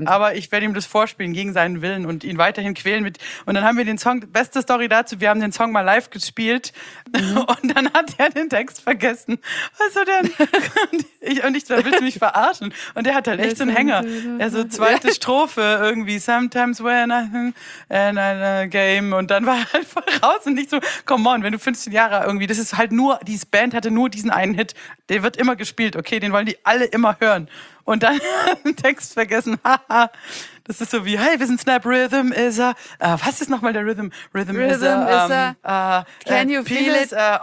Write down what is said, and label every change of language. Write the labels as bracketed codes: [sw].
[de] Nicht, aber ich werde ihm das vorspielen gegen seinen Willen und ihn weiterhin quälen. Und dann haben wir den Song, beste Story dazu, wir haben den Song mal live gespielt. Und dann hat er den Text vergessen. Was war denn? Und ich da willst du mich verarschen. Und der hat halt echt so einen Hänger. Also zweite Strophe irgendwie. [en] Sometimes when I'm in a game. [de] Und dann war er halt voll raus. Und nicht so, [en] come on, [de] wenn du 15 Jahre irgendwie, das ist halt nur, diese Band hatte nur diesen einen Hit. Der wird immer gespielt, okay? Den wollen die alle immer hören. Und dann einen Text vergessen. Das ist so wie, hey, wir sind Snap, [en] Rhythm is a... [de] was ist nochmal der Rhythm? [en] Rhythm is a... Is a can you penis, feel it?